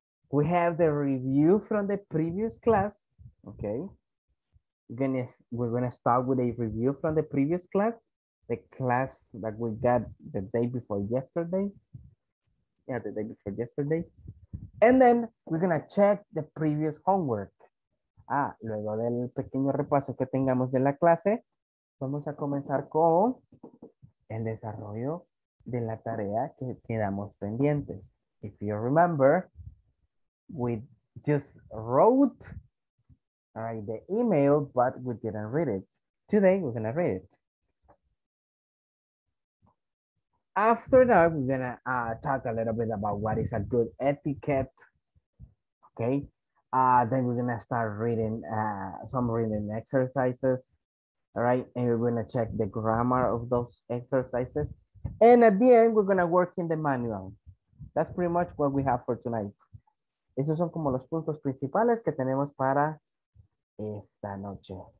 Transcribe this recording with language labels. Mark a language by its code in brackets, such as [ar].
[en] We have the review from the previous class, okay? We're gonna start with a review from the previous class, the class that we got the day before yesterday. Yeah, the day before yesterday. And then we're gonna check the previous homework. [es] Ah, luego del pequeño repaso que tengamos de la clase, vamos a comenzar con el desarrollo de la tarea que quedamos pendientes. [en] If you remember, we just wrote the email, but we didn't read it. Today, we're gonna read it. After that, we're gonna talk a little bit about what is a good etiquette, okay? Then we're gonna start reading some reading exercises, all right? And we're gonna check the grammar of those exercises. And at the end, we're gonna work in the manual. That's pretty much what we have for tonight. [es] Esos son como los puntos principales que tenemos para esta noche.